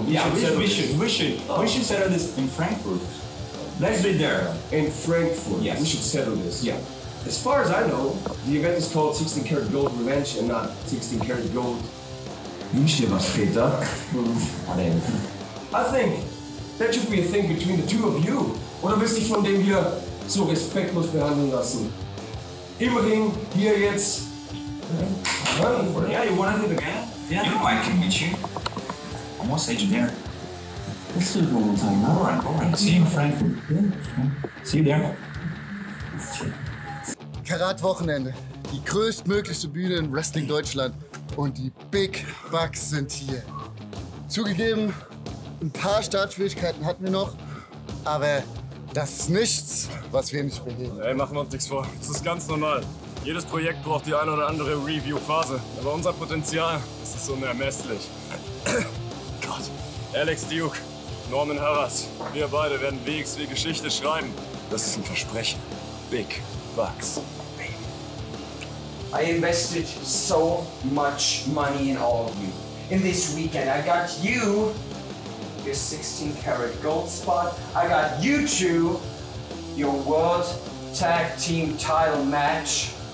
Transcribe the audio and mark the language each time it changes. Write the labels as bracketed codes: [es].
[en] We should settle this in Frankfurt. Let's be there. In Frankfurt. Yes. We should settle this. Yeah. As far as I know, the event is called 16 Karat Gold Revenge and not 16 Karat Gold. [de] Wünsch dir was, Peter. [en] I think that should be a thing between the two of you. [de] Oder willst du dich von dem hier so respektlos behandeln lassen? Immerhin, hier jetzt. [en] Yeah, you wanna do it again? Yeah. You know I can meet you. I'm almost age there. Let's do it one more time. All right. See you in Frankfurt. Yeah. See you there. [de] Karat-Wochenende. Die größtmöglichste Bühne in Wrestling-Deutschland. Und die Big Bucks sind hier. Zugegeben, ein paar Startschwierigkeiten hatten wir noch. Aber das ist nichts, was wir nicht begehen. Ey, machen wir uns nichts vor. Das ist ganz normal. Jedes Projekt braucht die eine oder andere Review-Phase. Aber unser Potenzial, das ist unermesslich. Gott. Alex Duke, Norman Harras, wir beide werden wXw Geschichte schreiben. Das ist ein Versprechen. Big Bucks. [en] I invested so much money in all of you. In this weekend, I got you your 16 karat gold spot. I got you two your world tag team title match.